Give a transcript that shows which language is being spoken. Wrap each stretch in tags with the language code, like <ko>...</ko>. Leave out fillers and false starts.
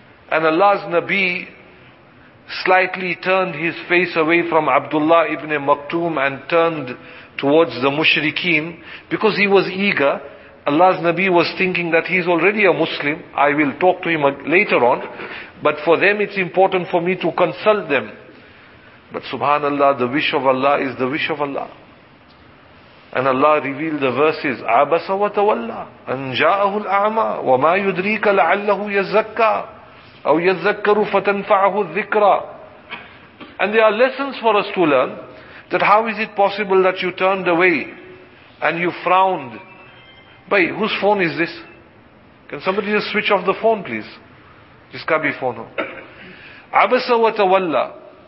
<en>And Allah's Nabi slightly turned his face away from Abdullah ibn Maktum and turned towards the mushrikeen because he was eager. Allah's Nabi was thinking that he's already a Muslim. I will talk to him later on. But for them, it's important for me to consult them. But subhanallah, the wish of Allah is the wish of Allah. And Allah revealed the verses,</en> <ar>عَبَسَ وَتَوَلَّى أَنْ جَاءَهُ الْأَعْمَى وَمَا يُدْرِيكَ لَعَلَّهُ يَزَّكَّى أَوْ يَذَّكَّرُ فَتَنْفَعَهُ الذِّكْرَى.</ar> <en>And there are lessons for us to learn, that how is it possible that you turned away and you frowned. Bhai, whose phone is this? Can somebody just switch off the phone, please? This can't be phone.</en> <ar>عَبَسَ وَتَوَلَّى.</ar>